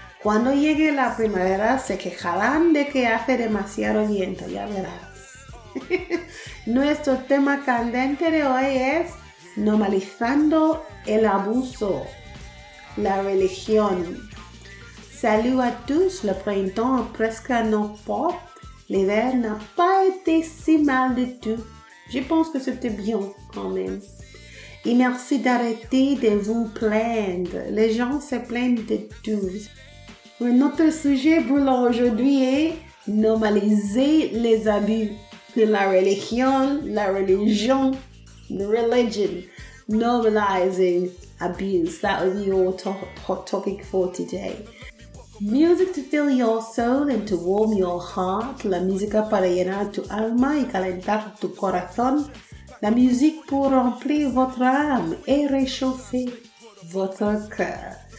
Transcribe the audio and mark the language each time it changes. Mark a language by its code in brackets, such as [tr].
[es] Cuando llegue la primavera, se quejarán de que hace demasiado viento, ya verás. Nuestro tema candente de hoy es normalizando el abuso, la religión. [fr] Salud a tous, le printemps presque no pop. L'hiver n'a pas été si mal du tout. Je pense que c'était bien quand même. Et merci d'arrêter de vous plaindre. Les gens se plaignent de tout. Notre sujet brûlant aujourd'hui est normaliser les abus de la religion, [en] normalizing abuse. That will be your hot topic for today. Music to fill your soul and to warm your heart. [es] La música para llenar tu alma y calentar tu corazón. [fr] La musique pour remplir votre âme et réchauffer votre cœur.